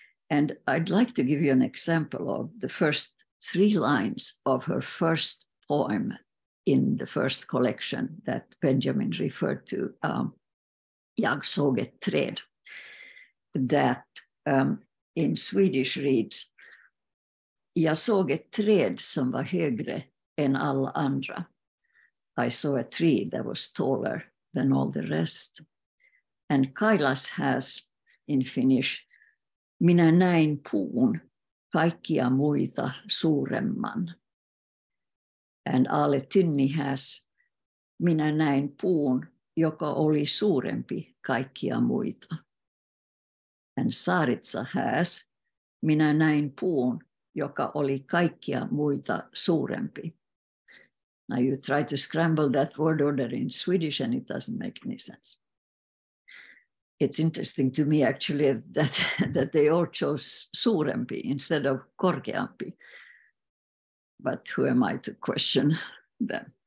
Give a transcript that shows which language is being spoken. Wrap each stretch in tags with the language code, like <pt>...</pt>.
<en>And I'd like to give you an example of the first three lines of her first poem in the first collection that Benjamin referred to,</en> <sv>Jag såg ett träd,</sv> <en>that in Swedish reads,</en> <sv>Jag såg ett träd som var högre än alla andra.</sv> <en>I saw a tree that was taller than all the rest. And Kailas has, in Finnish,</en> <fi>Minä näin puun kaikkia muita suuremman.</fi> <en>And Aale Tynni has,</en> <fi>Minä näin puun, joka oli suurempi kaikkia muita.</fi> <en>And Saaritsa has,</en> <fi>Minä näin puun, joka oli kaikkia muita suurempi.</fi> <en>Now you try to scramble that word order in Swedish and it doesn't make any sense. It's interesting to me actually that they all chose suurempi instead of korkeampi. But who am I to question them?</en>